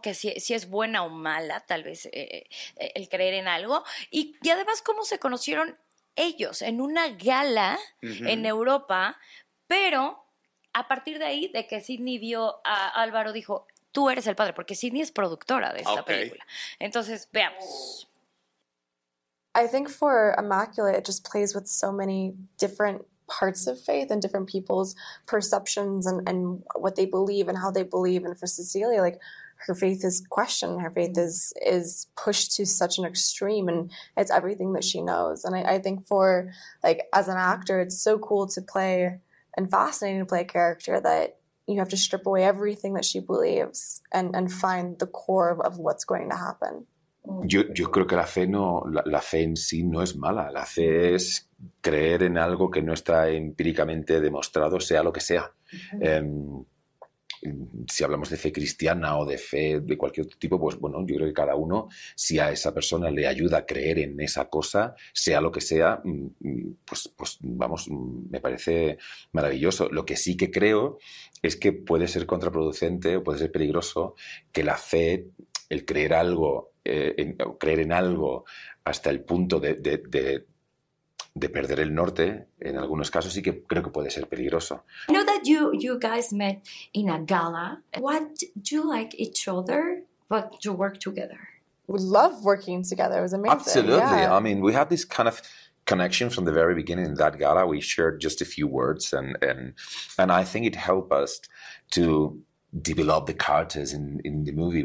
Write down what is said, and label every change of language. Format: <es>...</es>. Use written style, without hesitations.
<es>Que si es buena o mala, tal vez, el creer en algo. Y además, ¿cómo se conocieron ellos? En una gala, uh-huh, en Europa. Pero a partir de ahí, de que Sydney vio a Álvaro, dijo... Tú eres el padre, porque Sydney es productora de esta, okay, película. Entonces, veamos.</es> <en>I think for Immaculate, it just plays with so many different parts of faith and different people's perceptions and what they believe and how they believe. And for Cecilia, like, her faith is questioned. Her faith is pushed to such an extreme, and it's everything that she knows. And I think for, like, as an actor, it's so cool to play and fascinating to play a character that you have to strip away everything that she believes and find the core of what's going to happen.</en> <es>Yo creo que la fe en sí no es mala. La fe es creer en algo que no está empíricamente demostrado, sea lo que sea. Mm-hmm. Si hablamos de fe cristiana o de fe de cualquier otro tipo, pues bueno, yo creo que cada uno, si a esa persona le ayuda a creer en esa cosa, sea lo que sea, pues vamos, me parece maravilloso. Lo que sí que creo es que puede ser contraproducente o puede ser peligroso que la fe, el creer algo o creer en algo hasta el punto de perder el norte, en algunos casos sí que creo que puede ser peligroso.</es> <en>I know that you guys met in a gala. What do you like each other, but to work together? We love working together. It was amazing. Absolutely. I mean, we had this kind of connection from the very beginning in that gala. We shared just a few words, and I think it helped us to develop the characters in the movie.</en>